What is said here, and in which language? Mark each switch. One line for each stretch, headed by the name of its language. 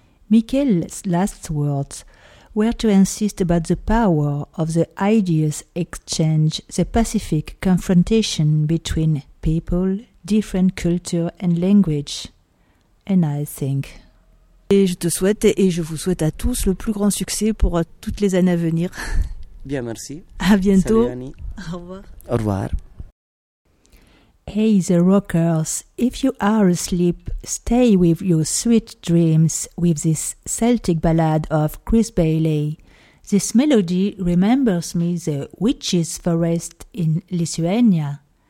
English: Mikael's last words were to insist about the power of the ideas exchange, the pacific confrontation between people, different culture and language. And I think.
French: Et je te souhaite et je vous souhaite à tous le plus grand succès pour toutes les années à venir. Bien, merci. À bientôt. Salut, Annie. Au revoir. Au revoir.
English: Hey, the rockers, if you are asleep, stay with your sweet dreams with this Celtic ballad of Chris Bailey. This melody remembers me the witch's forest in Lithuania.